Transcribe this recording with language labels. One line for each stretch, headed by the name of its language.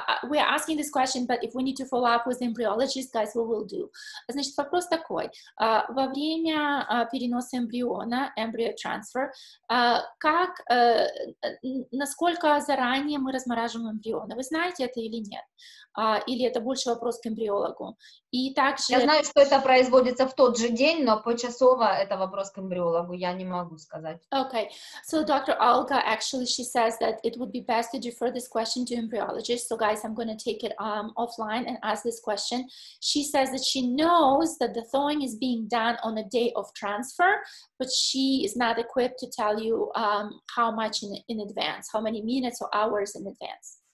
English: we're asking this question, but if we need to follow up with the embryologist, guys, we will do.
Russian: Значит, вопрос такой. Во время переноса эмбриона,
English: embryo transfer,
Russian: как, насколько заранее мы размораживаем эмбрионы? Вы знаете это или нет? Или это больше вопрос к эмбриологу? И также... Я знаю, что это производится в тот же день, но почасово это вопрос к эмбриологу, я не могу сказать.
English: Okay. So, Dr. Olga, actually, she says that it would be best to defer this question to embryologist. So, guys, I'm going to take it offline and ask this question. She says that she knows that the thawing is being done on a day of transfer, but she is not equipped to tell you how much in advance, how many minutes or hours in advance.